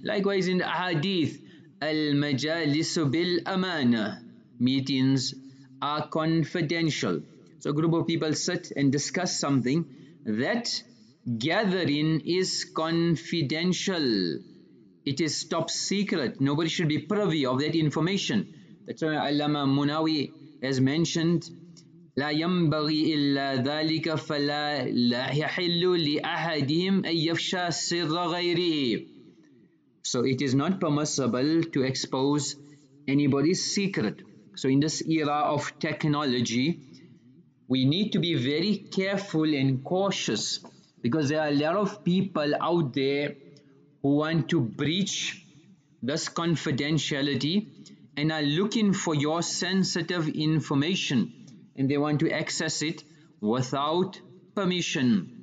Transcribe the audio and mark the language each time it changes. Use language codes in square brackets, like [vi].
[en] Likewise in the hadith, [ar] al majalisu bil amana, [en] meetings are confidential. So a group of people sit and discuss something, that gathering is confidential. It is top secret. Nobody should be privy of that information. That's why Allama Munawi has mentioned, [ar] لا ينبغي إلا ذلك فلا يحل لأحدهم أن يفشى سر غيره. [en] So it is not permissible to expose anybody's secret. So in this era of technology, we need to be very careful and cautious, because there are a lot of people out there who want to breach this confidentiality and are looking for your sensitive information, and they want to access it without permission.